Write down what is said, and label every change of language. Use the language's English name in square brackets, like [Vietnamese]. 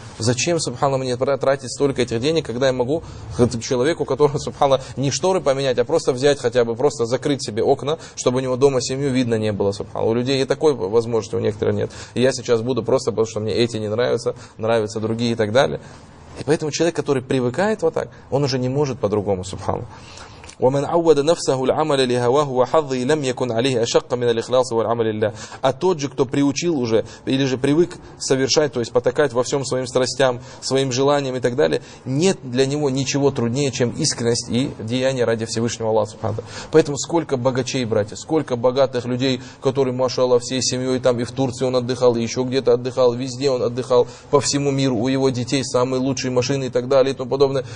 [Russian] Зачем, Субхану, мне тратить столько этих денег, когда я могу человеку, у которого, субхана, не шторы поменять, а просто взять хотя бы, просто закрыть себе окна, чтобы у него дома семью видно не было, субхана. У людей и такой возможности у некоторых нет. И я сейчас буду просто, потому что мне эти не нравятся, нравятся другие и так далее. И поэтому человек, который привыкает вот так, он уже не может по-другому, субхана. [Arabic] ومن عود نفسه العمل لهواه وحظه لم يكن عليه أشق من الإخلاص والعمل لله. [Russian] А тот же, кто приучил уже или же привык совершать, то есть потакать во всем своим страстям, своим желаниям и так далее, нет для него ничего труднее, чем искренность и деяние ради Всевышнего Аллаха Субхану. Поэтому сколько богачей, братья, сколько богатых людей, которые, машаллах, всей семьей там и в Турции он отдыхал, и еще где-то отдыхал, везде он отдыхал, по всему миру, у его детей самые лучшие машины и так далее и тому подобное.